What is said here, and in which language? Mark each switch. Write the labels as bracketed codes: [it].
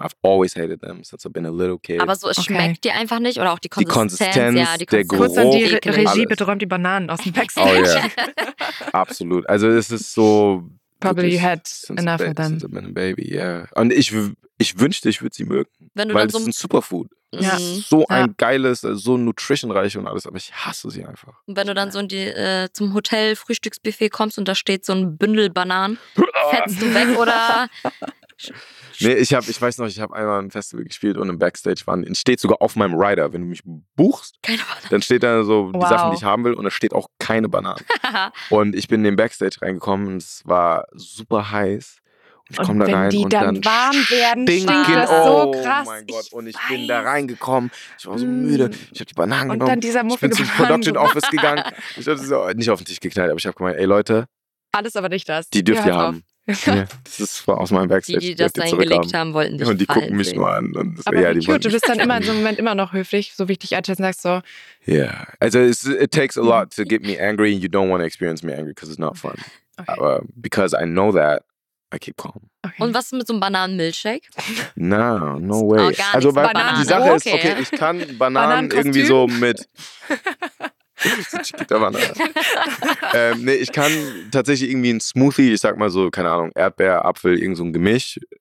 [en] I've always hated them since I've been a little kid. [de] Aber so, es schmeckt die einfach nicht? Oder auch die Konsistenz? Die Konsistenz, der Geruch. Kurz an die Regie, bitte räumt die Bananen aus dem Backstage. [en] Oh, yeah. [de] Absolut. Also es ist so... [en] Probably you had enough of them. Since I've been a baby, yeah. [de] Und ich wünschte, ich würde sie mögen. Wenn du weil dann so es ist ein Superfood. Ja. So ein geiles, so nutritionreich und alles, aber ich hasse sie einfach. Und wenn du dann so in die, zum Hotel-Frühstücksbuffet kommst und da steht so ein Bündel Bananen, fetzt du weg oder? Nee, ich weiß noch, ich habe einmal ein Festival gespielt und im Backstage waren, steht sogar auf meinem Rider, wenn du mich buchst, dann steht da so die Sachen, die ich haben will und da steht auch keine Bananen. Und ich bin in den Backstage reingekommen und es war super heiß. Ich komme da rein die und dann warm werden, stinken. Das so krass. Oh mein Gott, und ich bin da reingekommen. Ich war so müde. Ich habe die Bananen und genommen. Und dann dieser muffige Ich bin zum Production Office gegangen. Ich habe so nicht auf den Tisch geknallt, aber ich habe gemeint, ey Leute. Alles aber nicht das. Die dürft ihr haben. Das ist aus meinem Backstage. Die das dahin gelegt haben, wollten dich und die gucken mich nur an. Und das, aber ja, die gut, du bist dann immer in so einem Moment immer noch höflich, so wie ich dich einschätze und sagst so. Ja, yeah. [en] Also it takes a lot to get me angry and you don't want to experience me angry because it's not fun. Okay. But because I know that, I keep calm. Okay. [de] Und was mit so einem Bananen-Milchshake? [en] No way. [de] Also weil die Sache ist, okay, ich kann Bananen irgendwie so mit... ich kann tatsächlich irgendwie ein Smoothie, ich sag mal so, keine Ahnung, Erdbeer, Apfel, irgend so ein Gemisch.